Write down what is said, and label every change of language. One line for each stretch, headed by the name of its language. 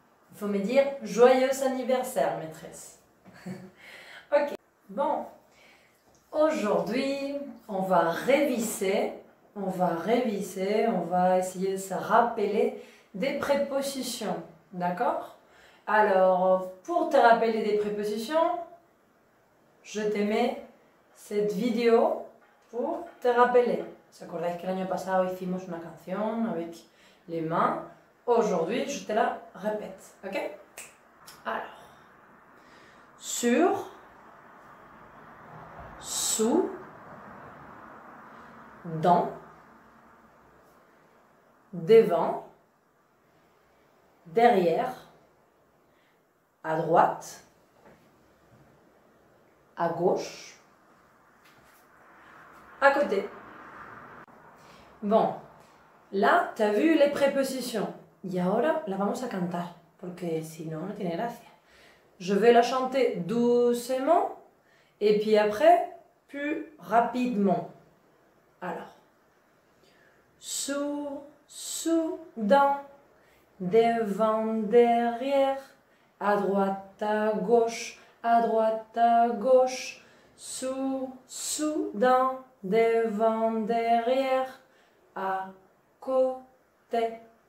French: Il faut me dire joyeux anniversaire, maîtresse. Bon, aujourd'hui, on va essayer de se rappeler des prépositions, d'accord? Alors, pour te rappeler des prépositions, je te mets cette vidéo pour te rappeler.
Spanish: ¿Se acordáis que
French: l'année passée,
Spanish: hicimos una canción
French: avec les mains? Aujourd'hui, je te la répète, ok? Alors, sur, sous, dans, devant, derrière, à droite, à gauche, à côté. Bon, là, tu as vu les prépositions.
Spanish: Et ahora la vamos a cantar, porque sinon, no tiene gracia.
French: Je vais la chanter doucement et puis après, plus rapidement. Alors, sous, dans, devant, derrière, à droite, à gauche, à droite, à gauche, sous, dans, devant, derrière, à côté.